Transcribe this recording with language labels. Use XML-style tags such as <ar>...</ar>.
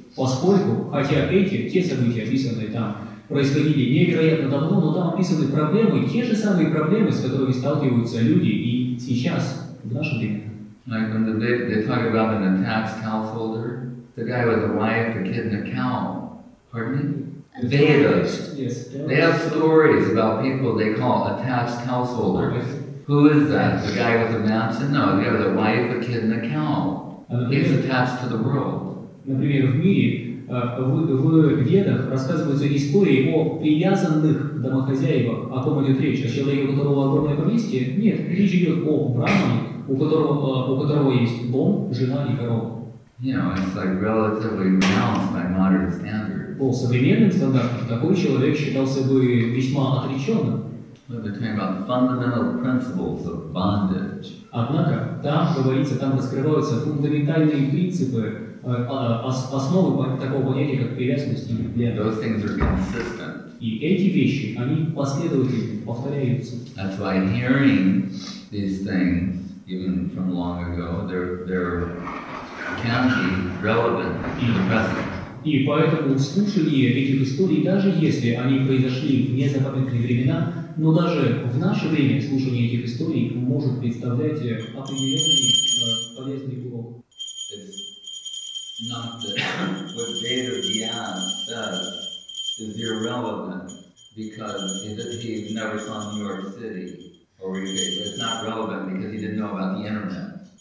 <ru>Поскольку, хотя те события, описанные там, происходили невероятно давно, но там описаны проблемы, те же самые проблемы, с которыми сталкиваются люди и сейчас, в наше время.</ru> <en>Like when they talk about an attached householder, the guy with a wife, a kid and a cow, pardon me? Vedas. Yes, they have stories about people they call attached householders. Yes. Who is that? The guy with a mansion? No, the guy with a wife, a kid, and a cow.</en> <ru>Например,</ru> <en>he's attached to the world.</en> <ru>Например, в мире в Ведах рассказываются истории о привязанных домохозяевах. О ком идет речь? О человеке, у которого огромное поместье? Нет, речь идет о брахмане, у которого есть дом, жена и корова.</ru> <en>You know, it's like relatively balanced by modern standards.</en> <ru>По современным стандартам такой человек считался бы весьма отреченным.</ru> <en>But they're talking about fundamental principles of bondage.</en> <ru>Однако там говорится, там раскрываются фундаментальные принципы, основы такого понятия, как привязанность.</ru> <en>Those things are consistent.</en> <ru>И эти вещи, они последовательно повторяются.</ru> <en>That's why hearing these things, even from long ago, they're can be relevant in the present.</en> <ru>И поэтому слушание этих историй, даже если они произошли в незапамятные времена, но даже в наше время слушание этих историй может представлять определенный полезный урок.</ru> <en>It's not that what Veda Vyas says is irrelevant because he never saw New York City or Rio. It's not relevant because he didn't know about the internet.</en>